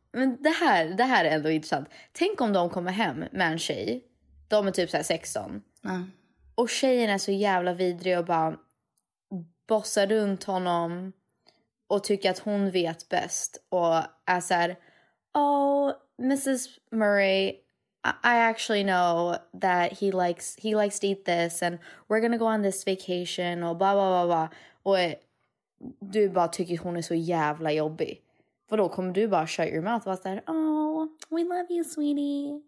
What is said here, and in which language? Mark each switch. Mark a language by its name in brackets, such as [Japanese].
[Swedish] Men det här är ändå intressant. Tänk om de kommer hem med en tjej. De är typ så här 16. Och tjejen är så jävla vidrig och bara bossar runt honom. Och tycker att hon vet bäst. Och är så här, [English] oh, Mrs. Murray, I actually know that he likes to eat this. And we're gonna go on this vacation. [Swedish] Och blah, blah, blah, blah. Och du bara tycker att hon är så jävla jobbig. Vadå, kommer du bara [English] shut your mouth [Swedish] och vara så här, [English] oh, we love you, sweetie.